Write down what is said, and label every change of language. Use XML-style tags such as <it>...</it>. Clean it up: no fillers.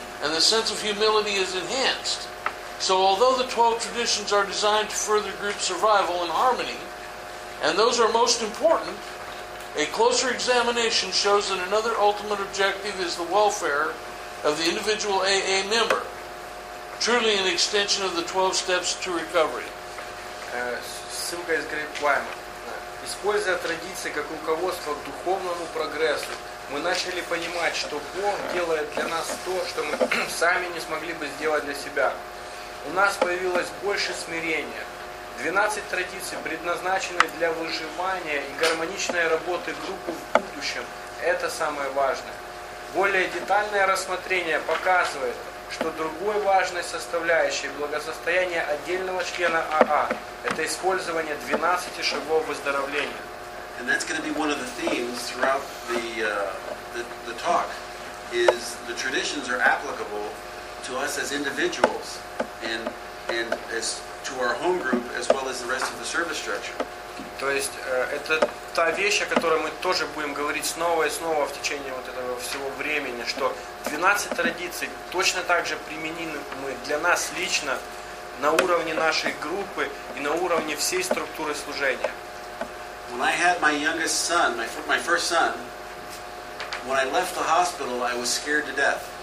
<en>And the sense of humility is enhanced. So although the 12 traditions are designed to further group survival and harmony, and those are most important, a closer examination shows that another ultimate objective is the welfare of the individual AA member, truly an extension of the 12 steps to recovery.</en> <ru>Ссылка из Грейпвайна. Используя традиции как руководство к духовному прогрессу, мы начали понимать, что Бог делает для нас то, что мы сами не смогли бы сделать для себя. У нас появилось больше смирения. 12 традиций, предназначенные для выживания и гармоничной работы группы в будущем, это самое важное. Более детальное рассмотрение показывает, что другой важной составляющей благосостояния отдельного члена АА – это использование 12 шагов выздоровления.</ru> <en>And that's going to be one of the themes throughout the talk, is the traditions are applicable to us as individuals and as to our home group as well as the rest of the service structure.</en> <ru>То есть это та вещь, о которой мы тоже будем говорить снова и снова в течение вот этого всего времени, что 12 традиций точно так же применимы для нас лично на уровне нашей группы и на уровне всей структуры служения.</ru> <en>When I had my youngest son, my first son, when I left the hospital, I was scared to death.</en>